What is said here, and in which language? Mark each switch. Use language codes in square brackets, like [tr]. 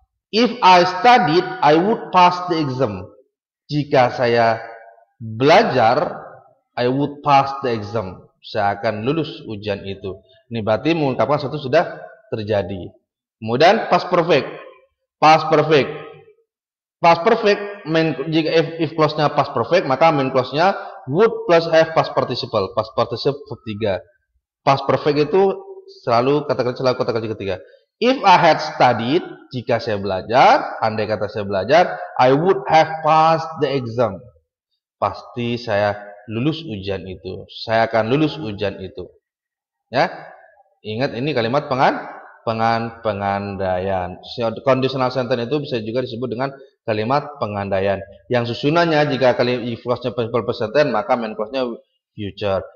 [en] If I studied, I would pass the exam. [id] Jika saya belajar, [en] I would pass the exam. [id] Saya akan lulus ujian itu. Ini berarti mengungkapkan sesuatu sudah terjadi. Kemudian past perfect. Past perfect. Past perfect, jika if clause-nya past perfect, maka main clause-nya would plus have past participle. Past participle ketiga. Past perfect itu selalu kata kerja ketiga. [en] If I had studied, [id] jika saya belajar, andai kata saya belajar, [en] I would have passed the exam. [id] Pasti saya lulus ujian itu. Saya akan lulus ujian itu. Ya, ingat ini kalimat pengandaian. Conditional sentence itu bisa juga disebut dengan kalimat pengandaian. Yang susunannya, jika if clause-nya simple present tense, maka main clause-nya future.